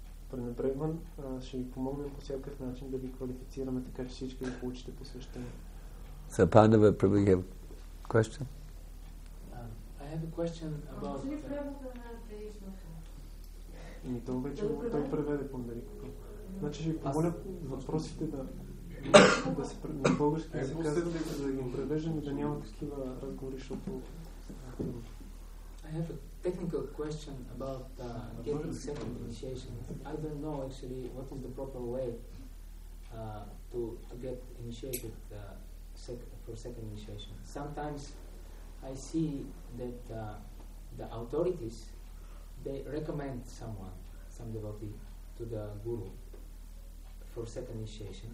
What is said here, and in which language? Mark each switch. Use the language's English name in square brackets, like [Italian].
[Bulgarian] Пренебрегвам, ще ви помогнем по всякакъв начин да ви квалифицираме, така че всички да получите посвещение. [English] So, Pandava, probably have a question? I have a question about... [Bulgarian] Може ли превода на Деишмаха? Той вече той преведе Пандарикото. Значи ще ви помоля въпросите да се на български език, да ги превеждам и да няма такива разговори, защото... [English] I have a technical question about getting second initiation. I don't know actually what is the proper way to get initiated for second initiation. Sometimes I see that the authorities, they recommend some devotee to the guru for second initiation.